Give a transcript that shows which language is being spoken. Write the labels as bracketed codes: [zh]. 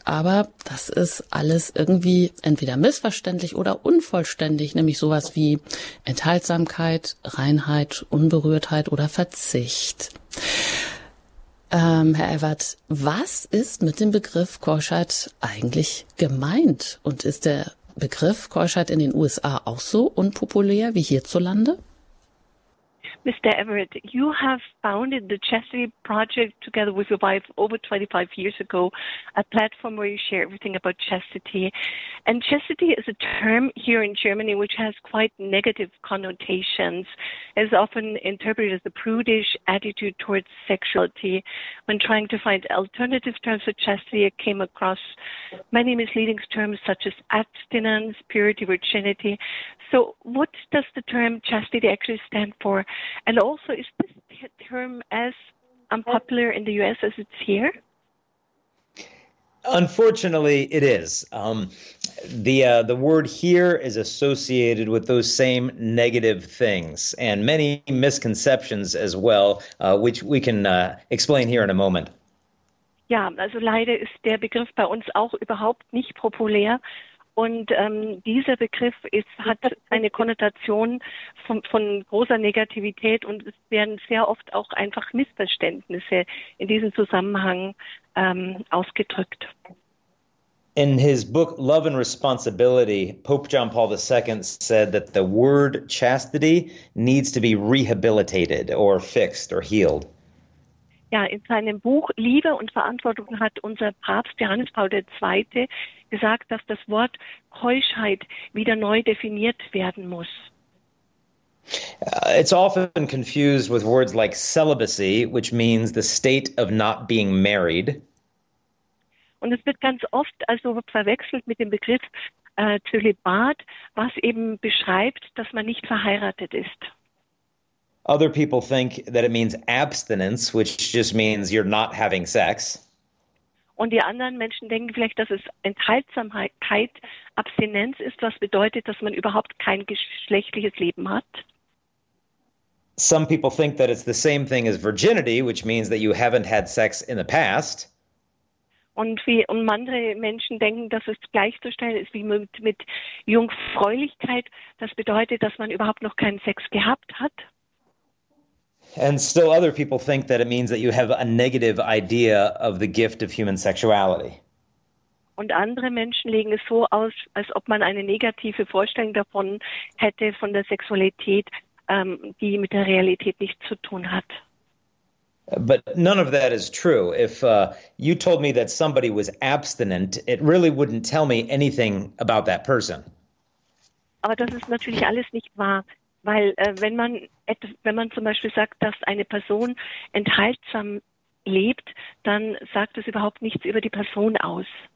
[de] Aber das ist alles irgendwie entweder missverständlich oder unvollständig, nämlich sowas wie Enthaltsamkeit, Reinheit, Unberührtheit oder Verzicht. Herr Evert, was ist mit dem Begriff Keuschheit eigentlich gemeint? Und ist der Begriff Keuschheit in den USA auch so unpopulär wie hierzulande? [en] Mr. Everett, you have founded the Chastity Project together with your wife over 25 years ago, a platform where you share everything about chastity. And chastity is a term here in Germany which has quite negative connotations. It is often interpreted as a prudish attitude towards sexuality. When trying to find alternative terms for chastity, I came across many misleading terms such as abstinence, purity, virginity. So what does the term chastity actually stand for? And also, is this term as unpopular in the U.S. as it's here? Unfortunately, it is. The word here is associated with those same negative things and many misconceptions as well, which we can explain here in a moment. [de] Ja, also leider ist der Begriff bei uns auch überhaupt nicht populär. Und dieser Begriff hat eine Konnotation von großer Negativität und es werden sehr oft auch einfach Missverständnisse in diesem Zusammenhang ausgedrückt. [en] In his book Love and Responsibility, Pope John Paul II said that the word chastity needs to be rehabilitated or fixed or healed. [de] Ja, in seinem Buch Liebe und Verantwortung hat unser Papst Johannes Paul II. Gesagt, dass das Wort Keuschheit wieder neu definiert werden muss. [en] It's often confused with words like celibacy, which means the state of not being married. [de] Und es wird ganz oft also verwechselt mit dem Begriff Zölibat, was eben beschreibt, dass man nicht verheiratet ist. [en] Other people think that it means abstinence, which just means you're not having sex. [de] Und die anderen Menschen denken vielleicht, dass es Enthaltsamkeit, Abstinenz ist, was bedeutet, dass man überhaupt kein geschlechtliches Leben hat. [en] Some people think that it's the same thing as virginity, which means that you haven't had sex in the past. [de] Und andere Menschen denken, dass es gleichzustellen ist wie mit Jungfräulichkeit. Das bedeutet, dass man überhaupt noch keinen Sex gehabt hat. [en] And still other people think that it means that you have a negative idea of the gift of human sexuality. [de] Und andere Menschen legen es so aus, als ob man eine negative Vorstellung davon hätte, von der Sexualität, die mit der Realität nichts zu tun hat. [en] But none of that is true. If you told me that somebody was abstinent, it really wouldn't tell me anything about that person. [de] Aber das ist natürlich alles nicht wahr, weil wenn man zum Beispiel sagt, dass eine Person enthaltsam lebt, dann sagt es überhaupt nichts über die Person aus.